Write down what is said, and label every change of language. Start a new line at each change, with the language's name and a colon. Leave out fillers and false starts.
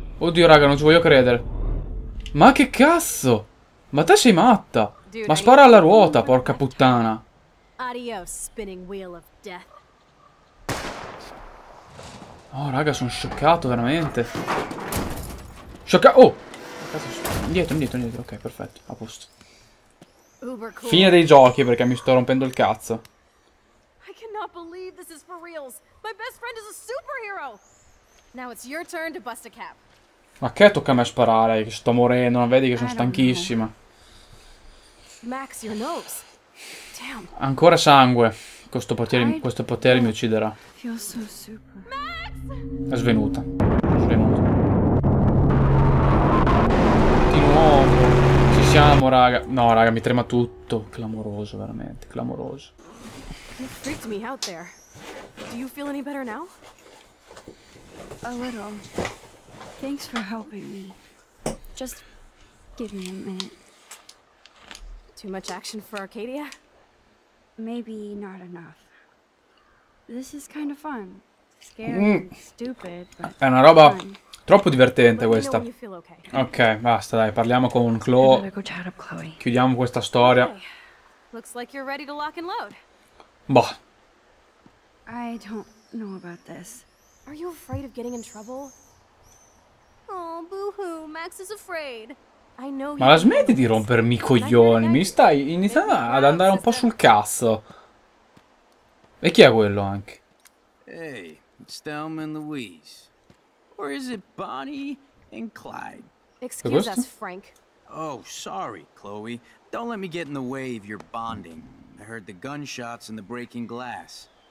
Italian: Oddio, raga, non ci voglio credere. Ma che cazzo? Ma te sei matta? Ma spara alla ruota, porca puttana.
English: Adios, spinning wheel of death.
Italian: Oh, raga, sono scioccato, veramente. Scioccato. Oh! Indietro, indietro, indietro. Ok, perfetto. A posto. Fine dei giochi, perché mi sto rompendo il cazzo.
English: I cannot believe this is for reals. My best friend is a superhero. Now it's your turn to bust a cap.
Italian: Ma che tocca a me sparare? Che sto morendo, non vedi che sono stanchissima.
English: Max, your nose. Damn.
Italian: Ancora sangue. Questo potere mi ucciderà.
English: So super. Max!
Italian: È svenuta. Svenuta. Di nuovo. Ci siamo, raga. No, raga, mi trema tutto. Clamoroso, veramente. Clamoroso.
English: Freaked me out there. Do you feel any better now? A little. Thanks for helping me. Just give me a minute. Too much action for Arcadia? Maybe not enough. This is kind of fun. Scary, stupid, but
Italian: è una roba
English: fun.
Italian: Troppo divertente questa.
English: You know okay.
Italian: Ok, basta, dai, parliamo con Chloe. Chloe. Chiudiamo questa storia.
English: Okay. Looks like you're ready to lock and load.
Italian: Boh.
English: I don't know about this. Are you afraid of getting in trouble? Oh, boohoo, Max is afraid. I know.
Italian: Ma la smetti di rompermi i coglioni, mi stai iniziando ad andare un po' sul cazzo. E chi è quello anche?
English: Hey, it's Thelma and Louise. Or is it Bonnie and Clyde? Excuse us, Frank. Oh, sorry, Chloe. Don't let me get in the way of your bonding. I heard the gunshots and the breaking glass.